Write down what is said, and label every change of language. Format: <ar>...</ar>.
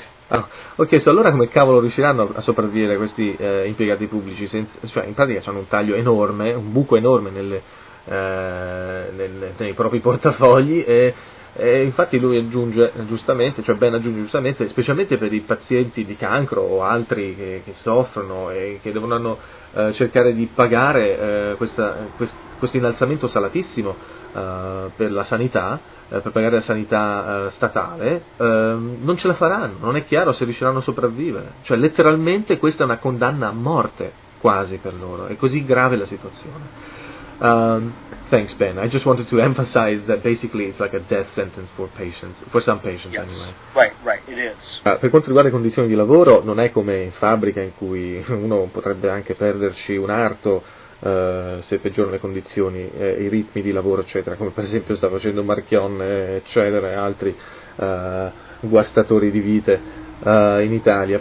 <it>Ah, ho chiesto allora come cavolo riusciranno a sopravvivere questi impiegati pubblici, cioè in pratica c'hanno un taglio enorme, un buco enorme nei propri portafogli e infatti lui aggiunge giustamente, cioè Ben aggiunge giustamente, specialmente per i pazienti di cancro o altri che soffrono e che dovranno cercare di pagare questo innalzamento salatissimo per la sanità. Per pagare la sanità statale, non ce la faranno, non è chiaro se riusciranno a sopravvivere. Cioè, letteralmente questa è una condanna a morte quasi per loro, è così grave la situazione.</it> <en>Thanks, Ben. I just wanted to emphasize that basically it's like a death sentence for patients, for some patients anyway. Right, it is.</en> <it>Per quanto riguarda le condizioni di lavoro, non è come in fabbrica in cui uno potrebbe anche perderci un arto. Se peggiorano le condizioni, i ritmi di lavoro, eccetera, come per esempio sta facendo Marchionne, eccetera, e altri guastatori di vite in Italia.</it>